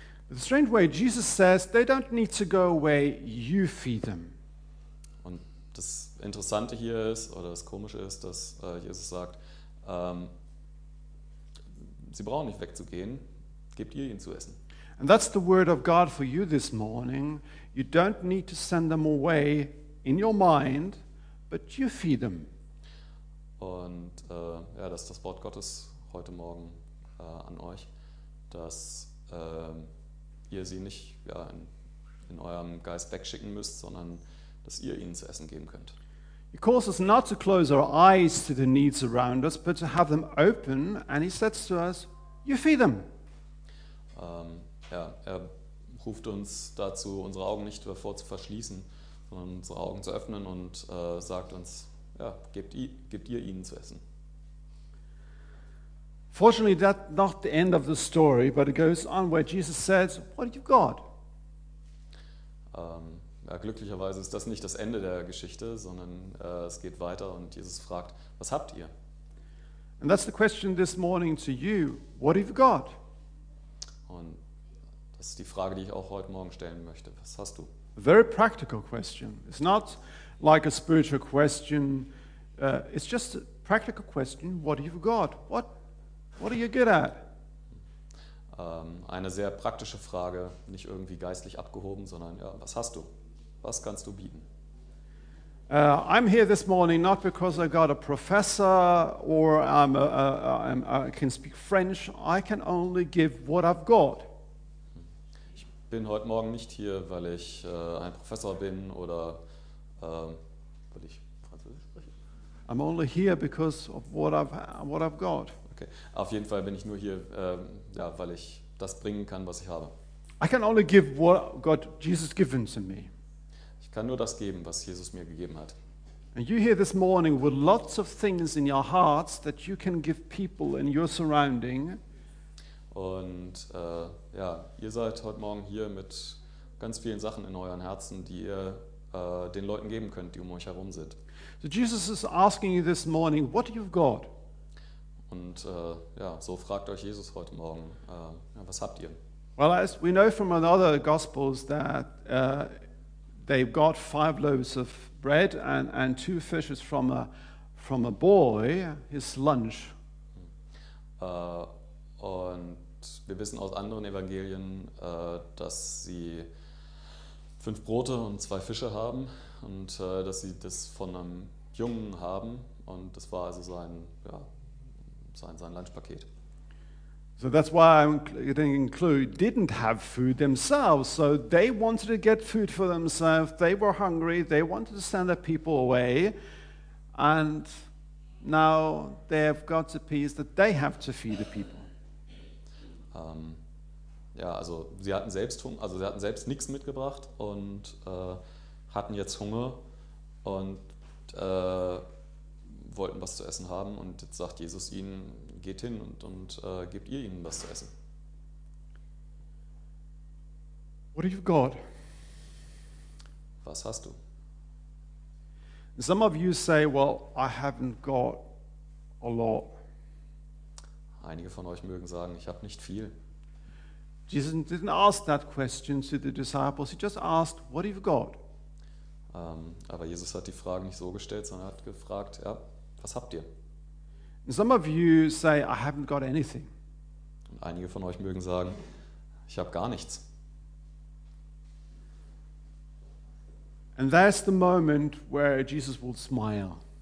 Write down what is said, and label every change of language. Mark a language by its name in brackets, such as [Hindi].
[English] The strange way Jesus says, they don't need to go away, you feed them. [German] Und das Interessante hier ist, oder das Komische ist, dass Jesus sagt, sie brauchen nicht wegzugehen, gebt ihr ihnen zu essen. [English] And that's the word of God for you this morning. You don't need to send them away in your mind, but you feed them. [German] Und ja, das ist das Wort Gottes heute Morgen an euch, dass ihr sie nicht ja, in eurem Geist wegschicken müsst, sondern dass ihr ihnen zu essen geben könnt. [English] He calls us not to close our eyes to the needs around us, but to have them open, and he says to us, you feed them. [German] Ja, er ruft uns dazu, unsere Augen nicht davor zu verschließen, sondern unsere Augen zu öffnen und sagt uns, ja, gebt ihr ihnen zu essen. [English] Fortunately, that's not the end of the story, but it goes on where Jesus says, what have you got? [German] Ja, glücklicherweise ist das nicht das Ende der Geschichte, sondern es geht weiter und Jesus fragt, was habt ihr? [English] And that's the question this morning to you, what have you got? [German] Und das ist die Frage, die ich auch heute Morgen stellen möchte. Was hast du? [English] A very practical question. It's not like a spiritual question. It's just a practical question. What have you got? What are you good at? [German] Eine sehr praktische Frage, nicht irgendwie geistlich abgehoben, sondern ja, was hast du? Was kannst du bieten? [English] I'm here this morning not because I got a professor or I can speak French. I can only give what I've got. [German] Ich bin heute Morgen nicht hier, weil ich ein Professor bin oder weil ich Französisch spreche. [English] I'm only here because of what I've got. Okay. [German] Auf jeden Fall bin ich nur hier, ja, weil ich das bringen kann, was ich habe. [English] I can only give what God Jesus given to me. [German] Ich kann nur das geben, was Jesus mir gegeben hat. [English] And you here this morning with lots of things in your hearts that you can give people in your surrounding. [German] Und ja, ihr seid heute Morgen hier mit ganz vielen Sachen in euren Herzen, die ihr den Leuten geben könnt, die um euch herum sind. [English] So Jesus is asking you this morning, what do you've got? [German] Und ja, so fragt euch Jesus heute Morgen, ja, was habt ihr? [English] Well, as we know from other Gospels that they've got 5 loaves of bread and 2 fishes from a boy, his lunch. [German] Und wir wissen aus anderen Evangelien, dass sie 5 Brote und 2 Fische haben und dass sie das von einem Jungen haben und das war also sein, ja, sein Lunchpaket. [English] So that's why I didn't include, didn't have food themselves. So they wanted to get food for themselves. They were hungry. They wanted to send their people away. And now they've got the peace that they have to feed the people. [German] Ja, also sie hatten selbst Hunger, also sie hatten selbst nichts mitgebracht und hatten jetzt Hunger und wollten was zu essen haben und jetzt sagt Jesus ihnen, geht hin und gebt ihr ihnen was zu essen. [English] What have you got? [German] Was hast du? [English] Some of you say, well, I haven't got a lot. [German] Einige von euch mögen sagen, ich habe nicht viel. [English] Jesus didn't ask that question to the disciples. He just asked, what have you got? [German] Aber Jesus hat die Frage nicht so gestellt, sondern hat gefragt, ja, Was habt ihr? [English] Some of you say, I haven't got anything. [German] Und einige von euch mögen sagen, ich habe gar nichts. [English] And that's the moment where Jesus will smile.